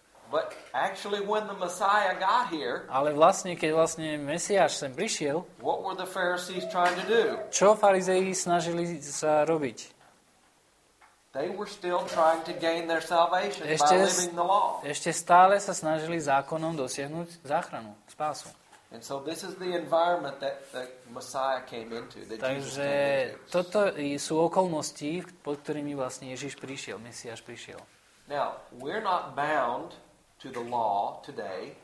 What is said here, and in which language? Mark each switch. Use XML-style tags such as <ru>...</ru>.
<en>But actually when the Messiah got here,</en> <sk>ale vlastne keď vlastne Mesiáš sem prišiel,</sk> <en>what were the Pharisees trying to do?</en> <sk>Čo farizei snažili sa robiť?</sk> <en>They were still trying to gain their salvation by living the law.</en> <sk>Ešte stále sa snažili zákonom dosiahnuť záchranu, spásu.</sk> <en>And so this is the environment that the Messiah came into. That</en> <sk>takže</sk> <en>Jesus came into.</en> <sk>Toto sú okolnosti, pod ktorými vlastne Ježiš prišiel, Mesiáš prišiel.</sk> <en>Now, we're not bound to the law today.</en>